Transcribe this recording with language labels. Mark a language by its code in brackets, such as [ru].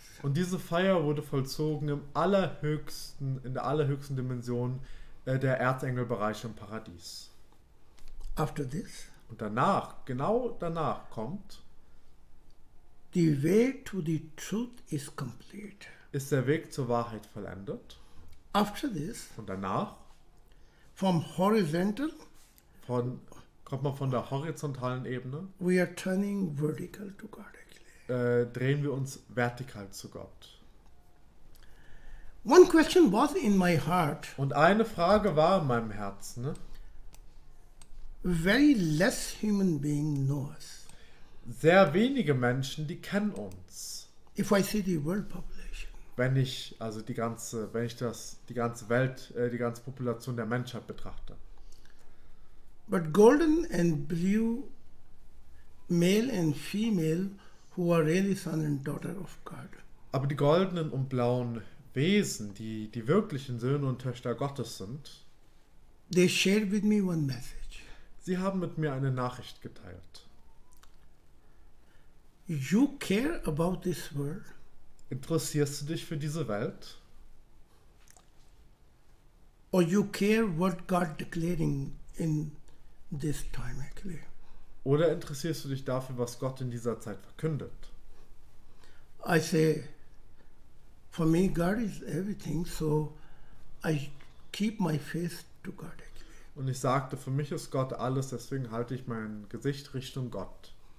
[de] Und diese Feier wurde vollzogen im allerhöchsten, in der allerhöchsten Dimension der Erzengelbereiche im Paradies. [en] After this, [de] und danach, genau danach kommt, [en] the way to the truth is complete. [de] Ist der Weg zur Wahrheit vollendet. [en] After this, [de] und danach, [en] from horizontal, [de] von kommt man von der horizontalen Ebene. [en] We are turning vertical to God, actually. [de] Drehen wir uns vertikal zu Gott. [en] One question was in my heart. [de] Und eine Frage war in meinem Herzen. [en] Very less human being knows. [de] Sehr wenige Menschen, die kennen uns. [en] If I see the world population. [de] Wenn ich also die ganze, wenn ich das die ganze Welt, die ganze Population der Menschheit betrachte. [en] But golden and blue, male and female, who are really son and daughter of God. [de] Aber die goldenen und blauen Wesen, die die wirklichen Söhne und Töchter Gottes sind, [en] they shared with me one message. [de] Sie haben mit mir eine Nachricht geteilt. [en] You care about this world? [de] Interessierst du dich für diese Welt? [en] Or you care what God declaring in this time actually? [de] Oder interessierst du dich dafür, was Gott in dieser Zeit verkündet? [en] I say, for me, God is everything, so I keep my face to God. [de] Und ich sagte, für mich ist Gott alles, deswegen halte ich mein Gesicht Richtung Gott.